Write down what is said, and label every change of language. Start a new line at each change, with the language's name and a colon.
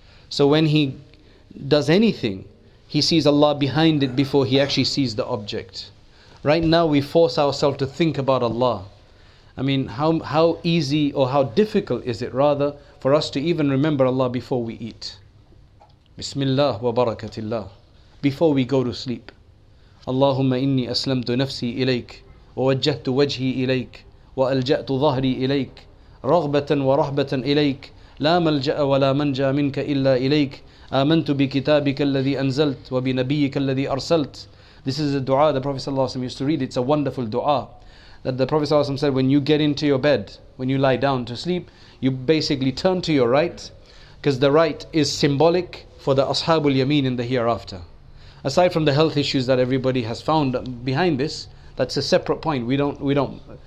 English: So when he does anything, he sees Allah behind it before he actually sees the object. Right now we force ourselves to think about Allah. I mean, how easy or how difficult is it rather for us to even remember Allah before we eat?
Arabic: Bismillah wa barakatillah.
English: Before we go to sleep.
Arabic: اللهم إني أسلمت نفسي إليك ووجهت وجهي إليك وألجأت ظهري إليك رغبة ورهبة إليك لا ملجأ ولا منجا منك إلا إليك آمنت بكتابك الذي أنزلت وبنبيك الذي أرسلت.
English: This is a dua the Prophet صلى الله عليه وسلم used to read. It's a wonderful dua that the Prophet صلى الله عليه وسلم said, when you get into your bed, when you lie down to sleep, you basically turn to your right, because the right is symbolic for the Ashabul Yameen in the hereafter. Aside from the health issues that everybody has found behind this, that's a separate point. We don't.